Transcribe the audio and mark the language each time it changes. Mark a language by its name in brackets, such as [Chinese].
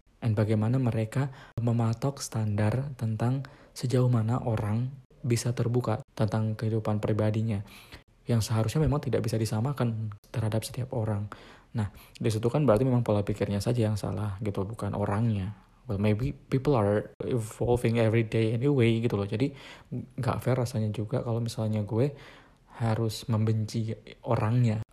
[Indonesian] And bagaimana mereka mematok standar tentang sejauh mana orang bisa terbuka tentang kehidupan pribadinya. Yang seharusnya memang tidak bisa disamakan terhadap setiap orang. Nah, di situ kan berarti memang pola pikirnya saja yang salah gitu, bukan orangnya. [English] Well, maybe people are evolving every day anyway [Indonesian] gitu loh. Jadi, gak fair rasanya juga kalau misalnya gue harus membenci orangnya.